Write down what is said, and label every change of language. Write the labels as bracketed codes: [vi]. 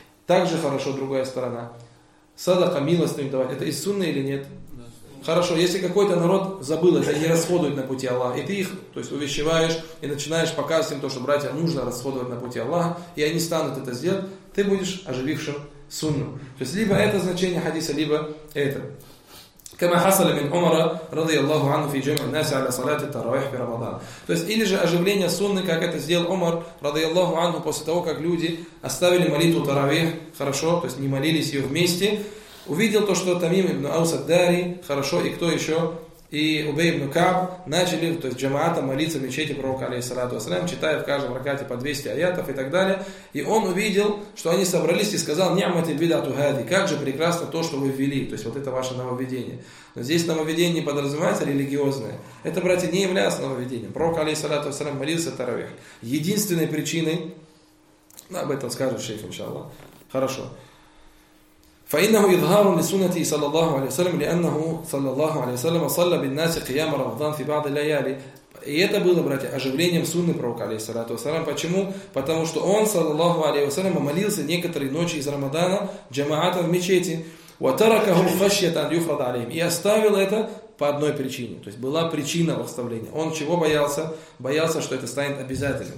[ru] Также хорошо другая сторона. Садака, милостыню давать, это из сунны или нет? Да. Хорошо, если какой-то народ забыл это и расходует на пути Аллаха, и ты их, то есть, увещеваешь и начинаешь показывать им то, что братьям нужно расходовать на пути Аллаха, и они станут это сделать, ты будешь оживившим сунну. То есть либо это значение хадиса, либо это. [ar] كما حصل من عمر رضي الله عنه في جمع الناس على صلاة التراويح في رمضان. [ru] То есть или же оживление сунны, как это сделал Умар رضي الله عنه, после того как люди оставили молитву таравих, хорошо, то есть не молились ее вместе, увидел то, что Тамим ибн Аус ад-Дари, хорошо, и кто еще, и Убей ибн Каб начали, то есть джамаата, молиться в мечети пророка, алейхиссалату вассалям, читая в каждом ракате по 200 аятов и так далее. И он увидел, что они собрались, и сказал: «Ни'мати бидату хади», как же прекрасно то, что вы ввели, то есть вот это ваше нововведение. Но здесь нововведение не подразумевается религиозное. Это, братья, не является нововведением. Пророк, алейхиссалату вассалям, молился таравих. Единственной причиной, ну, об этом скажет шейх, иншаллах. Хорошо. [ar] فإنه إظهار لسنة صلى الله عليه وسلم لأنه صلى الله عليه وسلم صلى بالناس قيام رمضان في بعض الليالي. [ru] И это было, братья, оживлением сунны пророка, алейхиссалату вассалям. Почему? Потому что он, саллаллаху алейхи вассалям, молился некоторые ночи из Рамадана джамаатом в мечети. [ar] وتركه خشية أن يفرض عليهم. [ru] И оставил это по одной причине. То есть была причина в оставлении. Он чего боялся? Боялся, что это станет обязательным.